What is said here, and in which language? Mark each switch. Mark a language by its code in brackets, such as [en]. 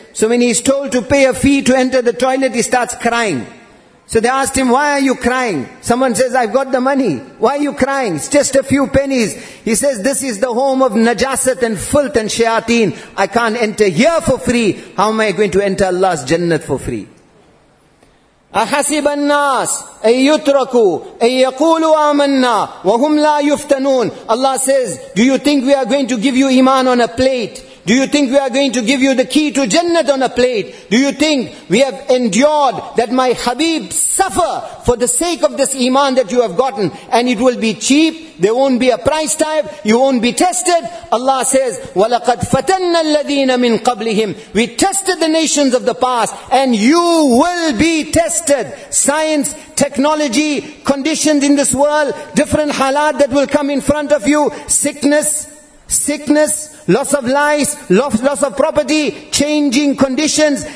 [en] So when he's told to pay a fee to enter the toilet, he starts crying. So they asked him, why are you crying? Someone says, I've got the money. Why are you crying? It's just a few pennies. He says, this is the home of najasat and filth and shayateen. I can't enter here for free. How am I going to enter Allah's Jannat for free? [ar] أحسب الناس أن يتركوا أن يقولوا آمنا وهم لا يفتنون. [en] Allah says, do you think we are going to give you iman on a plate? Do you think we are going to give you the key to Jannah on a plate? Do you think we have endured that my Habib suffer for the sake of this iman that you have gotten? And it will be cheap, there won't be a price tag, you won't be tested. Allah says, [ar] وَلَقَدْ فَتَنَّ الَّذِينَ مِنْ قَبْلِهِمْ. [en] We tested the nations of the past, and you will be tested. Science, technology, conditions in this world, different halat that will come in front of you, sickness, loss of life, loss of property, changing conditions.